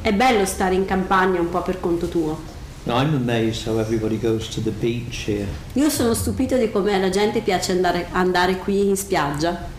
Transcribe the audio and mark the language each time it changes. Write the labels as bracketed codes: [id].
[it] È bello stare in campagna un po' per conto tuo. [en] I'm amazed how everybody goes to the beach here. [it] Io sono stupito di come la gente piace andare qui in spiaggia.